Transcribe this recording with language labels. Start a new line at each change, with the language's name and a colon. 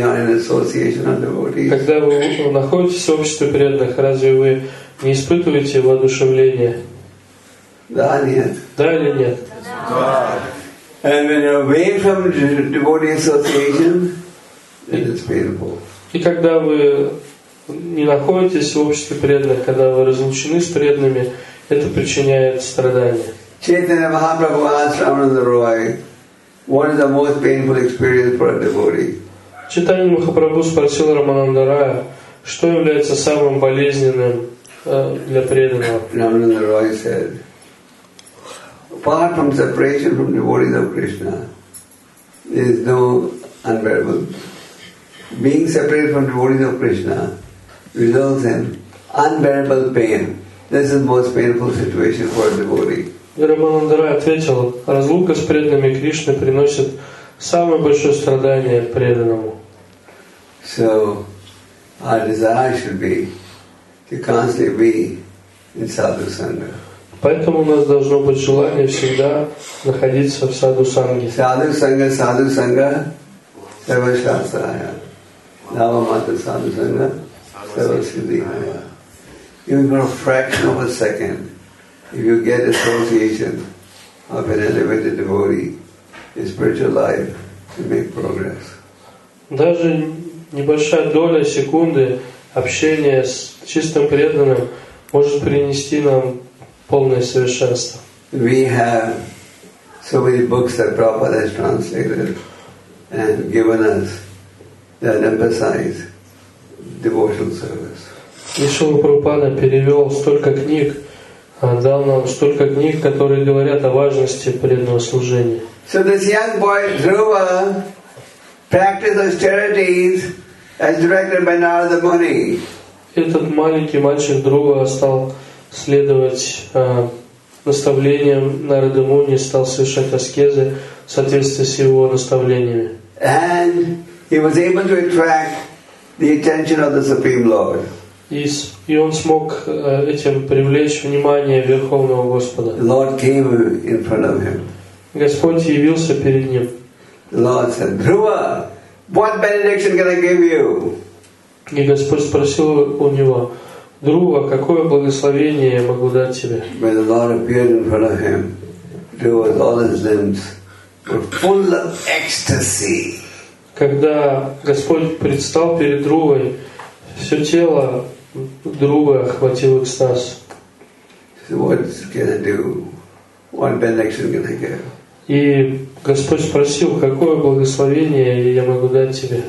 Russian: Когда вы находитесь в обществе преданных, разве вы не испытываете воодушевление? Да, нет. Да или нет? Да.
English: And when you're away from devotee association, then it's painful.
Russian: И когда вы не находитесь в обществе преданных, когда вы разлучены с преданными, это причиняет страдания.
English: Chaitanya Mahaprabhu asked Ramana Roy, what is the most painful experience for a devotee?
Russian: Chaitanya Mahaprabhu спросил Рамананда Рая, что является самым болезненным для преданного.
English: Рамананда Рой said, apart from separation from devotees of Krishna, there is no unbearable. Being separated from devotees of Krishna results in unbearable pain. This is the most painful situation for a devotee.
Russian: Рамананда Рай ответил, разлука с преданными Кришны приносит самое большое страдание преданному.
English: So our desire should be to constantly be in sadhu sangha.
Russian: Поэтому у нас должно быть желание всегда находиться в саду санге.
Sanskrit: Саду санга, сарвашастрая. Нава мата саду санга, сарвасиддхи.
English: Even for a fraction of a second, if you get association of an elevated devotee in spiritual life, you make progress.
Russian: Даже небольшая доля секунды общения с чистым преданным может принести нам полное совершенство.
English: We have so many books that Prabhupada has translated and given us that emphasize devotional service.
Russian: Шрила Прабхупада перевел столько книг, дал нам столько книг, которые говорят о важности преданного служения.
English: So this young boy Dhruva practiced austerities as directed by Narada Muni.
Russian: Этот маленький мальчик Друва стал следовать наставлениям Нарады Муни, стал совершать аскезы в соответствии с его наставлениями.
English: And he was able to attract the attention of the Supreme Lord.
Russian: И он смог этим привлечь внимание Верховного Господа.
English: The Lord came in front of him.
Russian: Господь явился перед ним.
English: The Lord said, Dhruva, what benediction can I give you?
Russian: И Господь спросил у него, Друва, какое благословение я могу дать тебе?
English: When the Lord appeared in front of him, Dhruva, all his limbs were full of ecstasy.
Russian: Когда Господь предстал перед Друвой, все тело Друвы охватило экстаз.
English: So what can I do? What benediction can I give?
Russian: И Господь спросил, какое благословение я могу дать тебе?